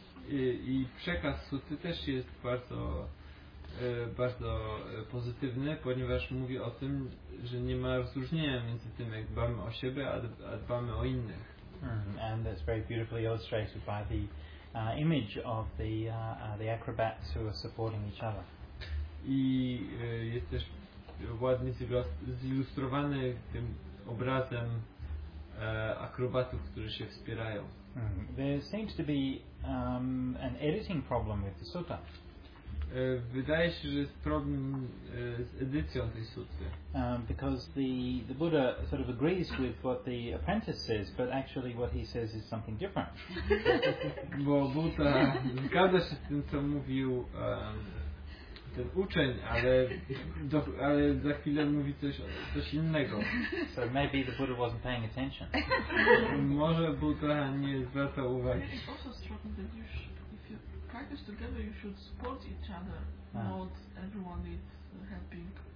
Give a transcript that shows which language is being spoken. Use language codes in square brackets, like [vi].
[pl] I przekaz suty też jest bardzo, bardzo pozytywny, ponieważ mówi o tym, że nie ma rozróżnienia między tym, jak dbamy o siebie, a dbamy o innych. [en] And that's very beautifully illustrated by the image of the acrobats who are supporting each other. [pl] I jest też ładnie zilustrowany tym obrazem akrobatów, którzy się wspierają. [en] There seems to be an editing problem with the sutta. [pl] Wydaje się, że jest problem z edycją tej sutty. [en] Because the Buddha sort of agrees with what the apprentice says, but actually what he says is something different. [pl] Bo Buddha zgadza się z tym, co mówił ten uczeń, ale za chwilę mówi coś innego. [en] So maybe the Buddha wasn't paying attention. [pl] Może Buddha nie zwracał uwagi. [en] It's also struggling that you if you practice together, you should support each other. Ah. Not everyone needs helping.